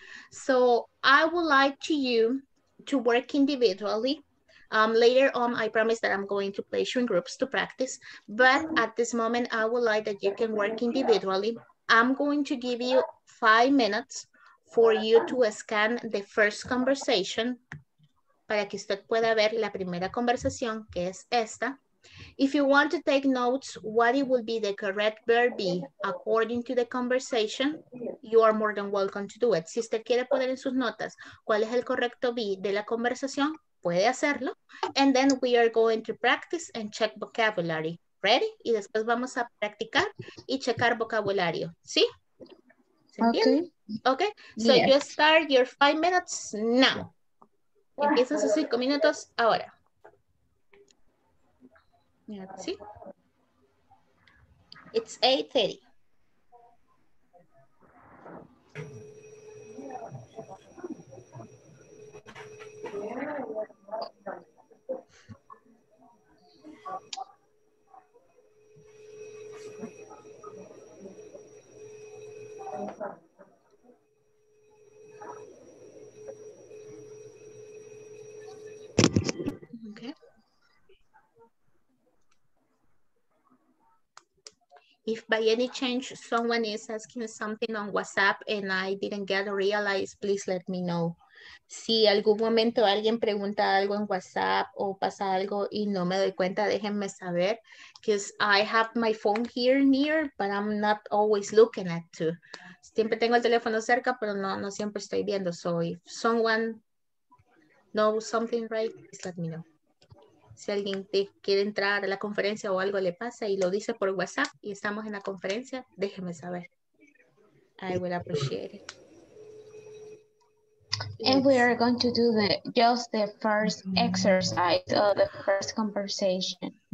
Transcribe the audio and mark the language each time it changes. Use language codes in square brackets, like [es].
[en] So I would like you to work individually. Later on, I promise that I'm going to place you in groups to practice. But at this moment, I would like that you can work individually. I'm going to give you 5 minutes for you to scan the first conversation. [es] Para que usted pueda ver la primera conversación, que es esta. [en] If you want to take notes, what it will be the correct verb be according to the conversation, you are more than welcome to do it. [es] Si usted quiere poner en sus notas cuál es el correcto be de la conversación, puede hacerlo. [en] And then we are going to practice and check vocabulary. Ready? [es] Y después vamos a practicar y checar vocabulario. ¿Sí? ¿Se entiende? [en] Okay. So you start your 5 minutes now. [es] Empiezan sus 5 minutos ahora. [en] Let's see. It's 8:30. If by any chance someone is asking something on WhatsApp and I didn't get or realize, please let me know. [es] Si algún momento alguien pregunta algo en WhatsApp o pasa algo y no me doy cuenta, déjenme saber. [en] Because I have my phone here near, but I'm not always looking at it. [es] Siempre tengo el teléfono cerca, pero no siempre estoy viendo. [en] So if someone knows something right, please let me know. [es] Si alguien te quiere entrar a la conferencia o algo le pasa y lo dice por WhatsApp y estamos en la conferencia, déjeme saber. [en] I will appreciate it. And we are going to do just the first exercise or the first conversation.